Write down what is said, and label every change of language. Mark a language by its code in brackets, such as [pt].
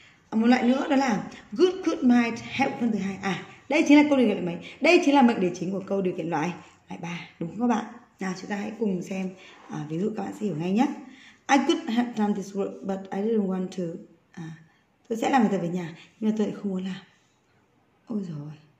[vi] Một loại nữa đó là good, could, might, have phân từ hai. Đây chính là câu điều kiện loại mấy? Đây chính là mệnh đề chính của câu điều kiện loại loại 3, đúng không các bạn? Nào chúng ta hãy cùng xem ví dụ các bạn sẽ hiểu ngay nhé. [en] I could have done this work, but I didn't want to. [vi] Tôi sẽ làm việc tập về nhà, nhưng mà tôi lại không muốn làm. Ôi dồi.